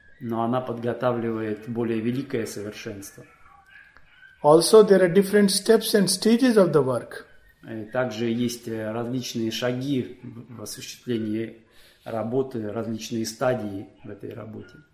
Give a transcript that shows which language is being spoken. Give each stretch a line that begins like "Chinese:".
Russian: Но она подготавливает более великое совершенство.
English: Also, there are different steps and stages of the work.
Russian: И также есть различные шаги в осуществлении работы, различные стадии в этой работе.